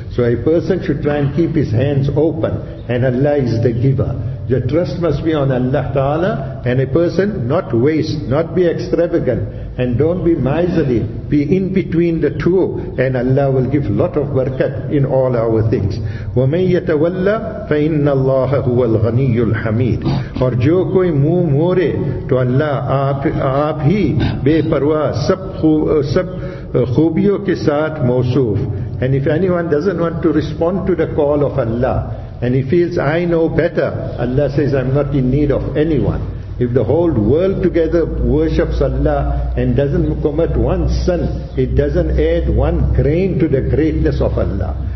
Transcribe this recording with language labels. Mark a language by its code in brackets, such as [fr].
[en] So a person should try and keep his hands open, and Allah is the giver. The trust must be on Allah Ta'ala, and a person not waste, not be extravagant, and don't be miserly. Be in between the two, and Allah will give lot of barakat in all our things. [ar] وَمَنْ يَتَوَلَّ فَإِنَّ اللَّهَ هُوَ الْغَنِيُّ الْحَمِيدُ. [ur] اور جو کوئی منہ موڑے تو اللہ آپ ہی بے پرواہ سب خوبیوں کے ساتھ موصوف. [en] And if anyone doesn't want to respond to the call of Allah, and he feels, I know better, Allah says, I'm not in need of anyone. If the whole world together worships Allah and doesn't commit one sin, it doesn't add one grain to the greatness of Allah.